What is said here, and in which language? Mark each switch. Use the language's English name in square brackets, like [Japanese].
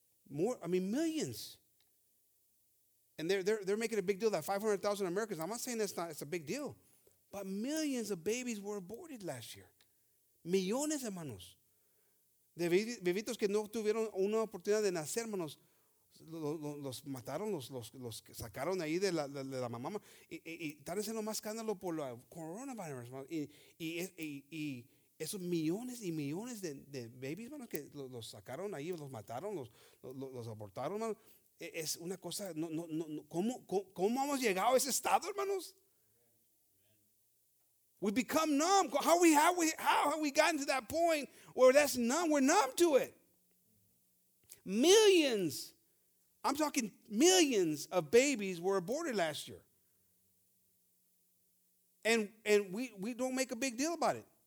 [English] Millions. And they're making a big deal that 500,000 Americans. I'm not saying it's a big deal, but millions of babies were aborted last year. [Spanish] Millones, hermanos, de bebitos que no tuvieron una oportunidad de nacer, hermanos. Los mataron, los sacaron ahí de la mamá. Y están haciendo más escándalo por la coronavirus. Y esos millones y millones de babies, hermanos, que los sacaron ahí, los mataron, los abortaron, hermanos. Es una cosa, no, ¿cómo hemos llegado a ese estado, hermanos? [English] We become numb. How have we gotten to that point where that's numb? We're numb to it. Millions. I'm talking millions of babies were aborted last year. And we don't make a big deal about it.